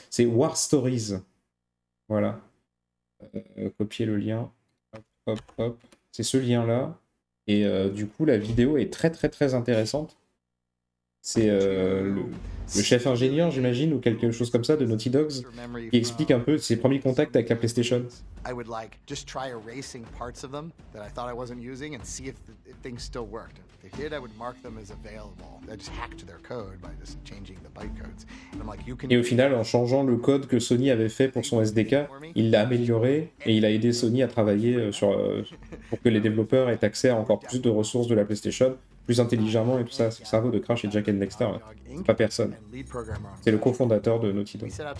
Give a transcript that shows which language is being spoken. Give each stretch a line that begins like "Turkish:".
French: C'est War Stories, voilà. Copier le lien, hop, c'est ce lien là. Et du coup, la vidéo est très très très intéressante. C'est le chef ingénieur, j'imagine, ou quelque chose comme ça de Naughty Dogs, qui explique un peu ses premiers contacts avec la PlayStation.
English: I would like just try erasing parts of them that I thought I wasn't using and see if things still worked. If they did, I would mark them as available. I just hacked their code by just changing the bytecodes. And I'm like, you can.
French: Et au final, en changeant le code que Sony avait fait pour son SDK, il l'a amélioré et il a aidé Sony à travailler sur pour que les développeurs aient accès à encore plus de ressources de la PlayStation. Plus intelligemment et tout ça, c'est le cerveau de Crash et Jack and Dexter, c'est pas personne. C'est le cofondateur de Naughty Dog.